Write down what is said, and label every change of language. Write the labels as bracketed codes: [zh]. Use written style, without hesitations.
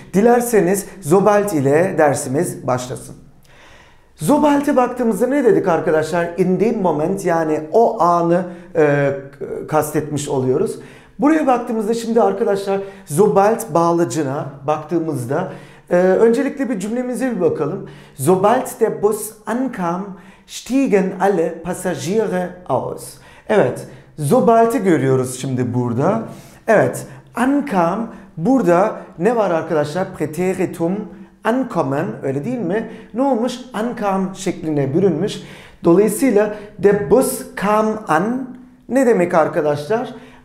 [tr] Dilerseniz sobald ile dersimiz başlasın. Sobald'e baktığımızda ne dedik arkadaşlar? [de] In dem Moment, [tr] yani o anı kastetmiş oluyoruz. Buraya baktığımızda şimdi arkadaşlar, sobald bağlacına baktığımızda öncelikle bir cümlemize bir bakalım. [de] Sobald der Bus ankam, stiegen alle Passagiere aus. [tr] Evet. Sobald'ı görüyoruz şimdi burada. Evet, ankam, burada ne var arkadaşlar? Präteritum, ankommen, öyle değil mi? Ne olmuş? Ankam şekline bürünmüş. Dolayısıyla [de] der Bus kam an, [tr] ne demek arkadaşlar?